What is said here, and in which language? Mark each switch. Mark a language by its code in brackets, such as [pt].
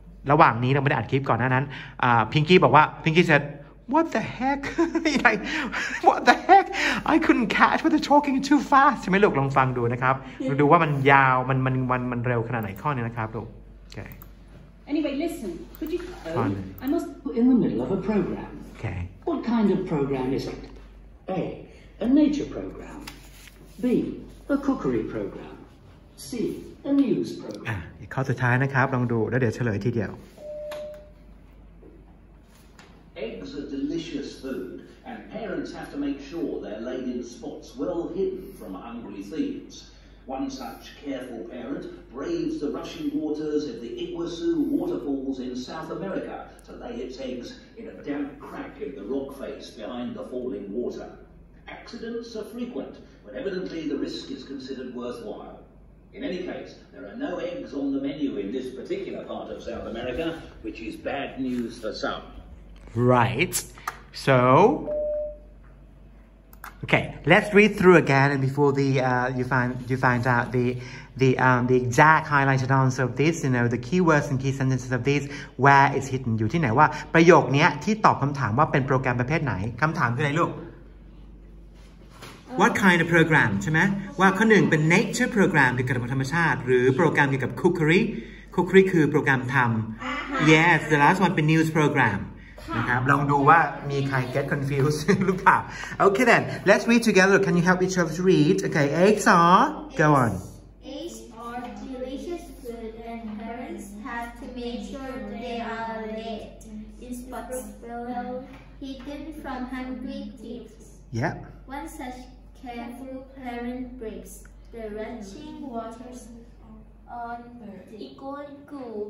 [th] ระหว่างนี้เราไม่ได้อัดคลิปก่อนหน้านั้นพิงกี้บอกว่าพิงกี้ [en] said what the heck like what the heck I couldn't catch what they're talking too fast [th] ใช่ไหมลูกลองฟังดูนะครับดูว่ามันยาวมันเร็วขนาดไหนข้อนี้นะครับลูก okay [en] anyway listen could you I must put in the middle of a program okay what kind of program is it A a nature program B a cookery program C a news program [th] อีกข้อสุดท้ายนะครับลองดูแล้วเดี๋ยวเฉลยทีเดียว [en] eggs are delicious food and parents have to make sure they're laid in spots well hidden from hungry thieves one such careful parent braves the rushing waters of the Iguazu waterfalls in South America to lay its eggs in a damp crack in the rock face behind the falling water accidents are frequent but evidently the risk is considered worthwhile In any case, there are no eggs on the menu in this particular part of South America, which is bad news for some. Right. So, okay, let's read through again and before the you find out the exact highlighted answer of this, you know, the keywords and key sentences of this, where it's hidden. [th] อยู่ที่ไหนว่าประโยคนี้ที่ตอบคำถามว่าเป็นโปรแกรมประเภทไหนคำถามคืออะไรลูก [en] What kind of program [th] ใช่ไหมว่าข้อหนึ่งเป็น nature program เกี่ยวกับธรรมชาติหรือโปรแกรมเกี่ยวกับ cookery คือโปรแกรมทำ [en] yes the last one [th] เป็น news programนะครับลองดูว่ามีใคร [en] get confused [th] หรือเปล่า [en] Okay then let's read together Can you help each other to read Okay eggs are go on eggs are delicious food and parents have to make sure they are laid in spots well hidden from hungry thieves Yeah one such careful parent breaks the rushing waters on Iguazu